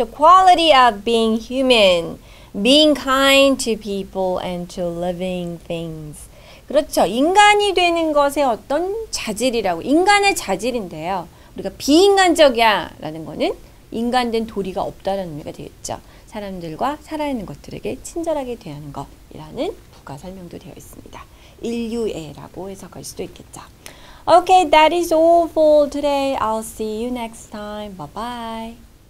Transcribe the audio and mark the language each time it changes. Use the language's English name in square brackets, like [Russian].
[English] The quality of being human, being kind to people and to living things. [Korean] 그렇죠. 인간이 되는 것의 어떤 자질이라고, 인간의 자질인데요. 우리가 비인간적이야 라는 거는 인간된 도리가 없다는 의미가 되겠죠. 사람들과 살아있는 것들에게 친절하게 대하는 것이라는 부가 설명도 되어 있습니다. 인류애라고 해석할 수도 있겠죠. [English] Okay, that is all for today. I'll see you next time. Bye-bye.